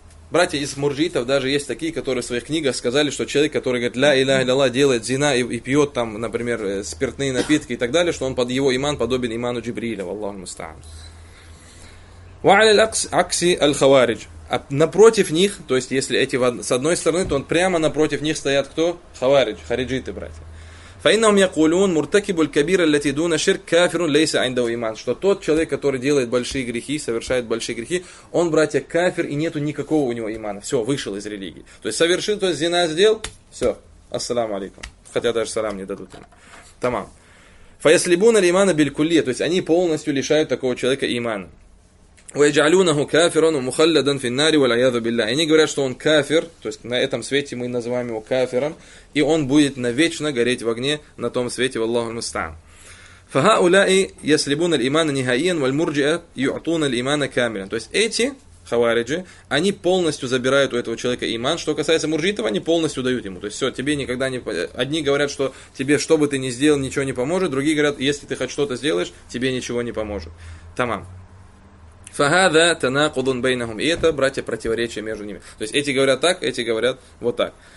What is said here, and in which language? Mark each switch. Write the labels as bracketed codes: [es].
[ru] Братья из мурджиитов даже есть такие, которые в своих книгах сказали, что человек, который говорит «Ля иляха илляллах», делает зина и пьет там, например, спиртные напитки и так далее, что он под его иман подобен иману Джибриля, валлаху мустаан. [ar] «Ва аля акси аль-хавариджи». [ru] А напротив них, то есть если эти с одной стороны, то он прямо напротив них стоят кто? Хавариджи, хариджиты, братья. [ar] فإنهم يقولون مرتكب الكبيرة التي دون شرك كافر ليس عنده إيمان. [ru] Что тот человек, который делает большие грехи, совершает большие грехи, он, братья, кафир, и нету никакого у него имана. Все, вышел из религии. То есть совершил, то есть зина сделал, все. Ассаламу алейкум. Хотя даже салам не дадут ему. Тамам. [ar] فيسلبون الإيمان بالكلية. [ru] То есть они полностью лишают такого человека имана. [ar] ويجعلونه كافرا ومخلدا في النار والعياذ بالله. [ru] Они говорят, что он кафир, то есть на этом свете мы называем его кафиром, и он будет навечно гореть в огне на том свете, валлаху мустаан. [ar] فهؤلاء يسلبون الايمان نهائيا والمرجئه يعطون الايمان كاملا. [ru] То есть эти хавариджи, они полностью забирают у этого человека иман. Что касается мурджиитов, они полностью дают ему. То есть все, тебе никогда не... Одни говорят, что тебе, что бы ты ни сделал, ничего не поможет. Другие говорят, если ты хоть что-то сделаешь, тебе ничего не поможет. Тамам. [ar] فَهَذَا تَنَاقُضٌ بَيْنَهُمْ. [ru] И это, братья, противоречие между ними. То есть, эти говорят так, эти говорят вот так.